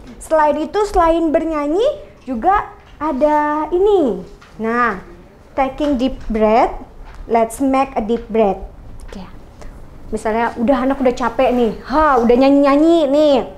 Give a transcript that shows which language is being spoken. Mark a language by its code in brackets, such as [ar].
[id] Selain itu, selain bernyanyi juga ada ini. [en] Nah, taking deep breath, let's make a deep breath. [id] Oke. Misalnya udah anak udah capek nih, udah nyanyi-nyanyi nih.